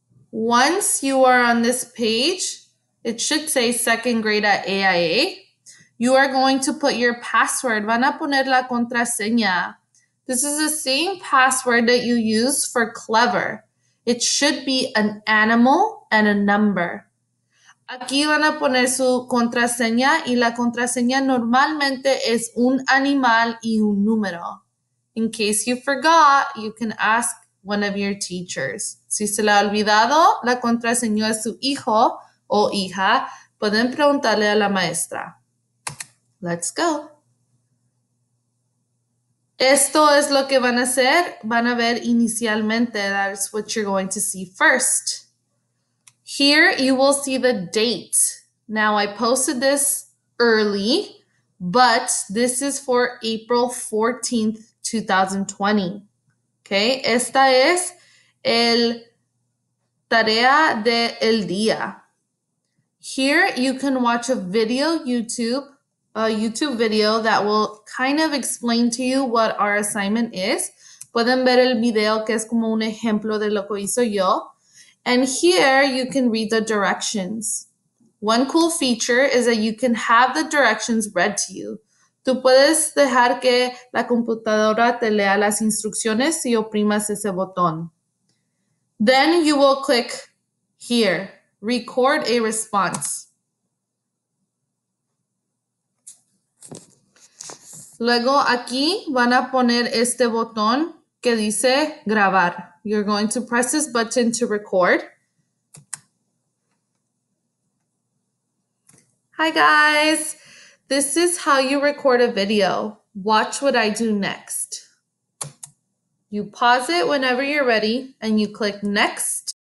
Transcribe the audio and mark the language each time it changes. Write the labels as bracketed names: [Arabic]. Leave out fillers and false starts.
[English] Once you are on this page, it should say second grade AIA. You are going to put your password. [Spanish] Van a poner la contraseña. [English] This is the same password that you use for Clever. It should be an animal and a number. [Spanish] Aquí van a poner su contraseña y la contraseña normalmente es un animal y un número. [English] In case you forgot, you can ask one of your teachers. [Spanish] Si se le ha olvidado la contraseña a su hijo o hija, pueden preguntarle a la maestra. [English] Let's go. [Spanish] Esto es lo que van a hacer. Van a ver inicialmente. [English] That's what you're going to see first. Here you will see the date. Now I posted this early, but this is for April 14th, 2020. [Spanish] Okay, esta es el tarea de el día. [English] Here you can watch a video YouTube video that will kind of explain to you what our assignment is. [Spanish] Pueden ver el video que es como un ejemplo de lo que hizo yo. [English] And here you can read the directions. One cool feature is that you can have the directions read to you. [Spanish] Tú puedes dejar que la computadora te lea las instrucciones si oprimas ese botón. [English] Then you will click here, record a response. [Spanish] Luego aquí van a poner este botón que dice grabar. [English] You're going to press this button to record. Hi guys, this is how you record a video. Watch what I do next. You pause it whenever you're ready and you click next.